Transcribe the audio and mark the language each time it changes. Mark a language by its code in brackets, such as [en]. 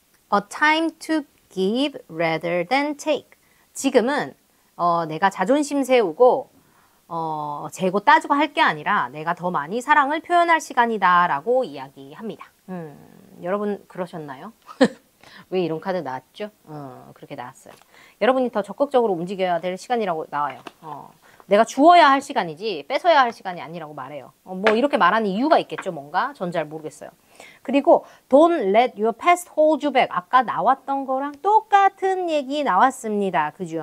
[en] 'A time to give rather than take.' [ko] 지금은 내가 자존심 세우고 재고 따지고 할게 아니라 내가 더 많이 사랑을 표현할 시간이다라고 이야기합니다. 여러분 그러셨나요? 왜 이런 카드 나왔죠? 그렇게 나왔어요. 여러분이 더 적극적으로 움직여야 될 시간이라고 나와요. 내가 주어야 할 시간이지 뺏어야 할 시간이 아니라고 말해요. 뭐 이렇게 말하는 이유가 있겠죠, 뭔가? 전잘 모르겠어요. 그리고 [en] Don't let your past hold you back. [ko] 아까 나왔던 거랑 똑같은 얘기 나왔습니다. 그죠?